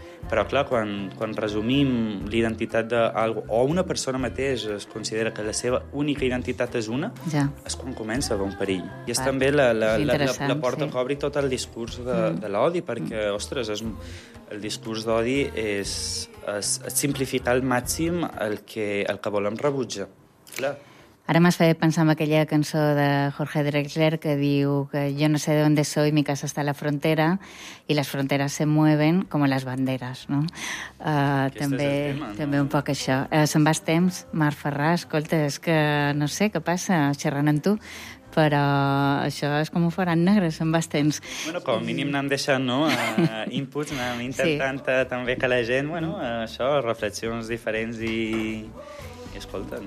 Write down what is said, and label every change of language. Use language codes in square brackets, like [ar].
[ca] Però, clar, quan resumim l'identitat d'algú, o una persona mateixa es considera que la seva única identitat és una, ja, és quan comença a haver un perill. I és també la porta, sí, que obri tot el discurs de l'odi, perquè, ostres, el discurs d'odi és simplificar al màxim el que volem rebutjar. Clar. Ara m'has fet pensar en aquella cançó de Jorge Drexler que diu que [es] yo no sé de dónde soy, mi casa está en la frontera, y las fronteras se mueven como las banderas, no? [ca] També un poc això. Se'n va el temps, Marc Ferrà, escolta, és que no sé què passa xerrant amb tu, però això és com ho faran negres, en bastants. Bueno, com a mínim anem deixant, no?, inputs, anem intentant, sí, també que la gent, bueno, això, reflexions diferents i... Escolta,